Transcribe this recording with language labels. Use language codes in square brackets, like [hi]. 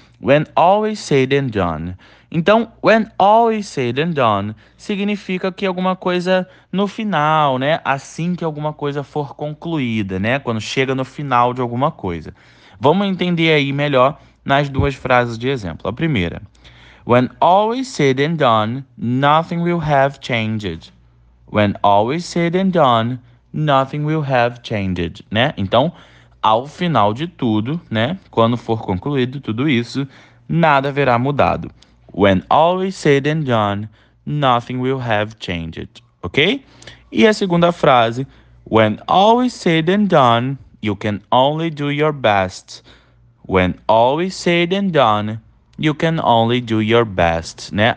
[en] When all is said and done. [pt] Então, [en] when all is said and done [pt] significa que alguma coisa no final, né? Assim que alguma coisa for concluída, né? Quando chega no final de alguma coisa. Vamos entender aí melhor nas duas frases de exemplo. A primeira. [en] When all is said and done, nothing will have changed. When all is said and done, nothing will have changed, né? [pt] Então, ao final de tudo, né? Quando for concluído tudo isso, nada haverá mudado. [en] When all is said and done, nothing will have changed, ok? [pt] E a segunda frase, [en] when all is said and done, you can only do your best. When all is said and done, you can only do your best, né?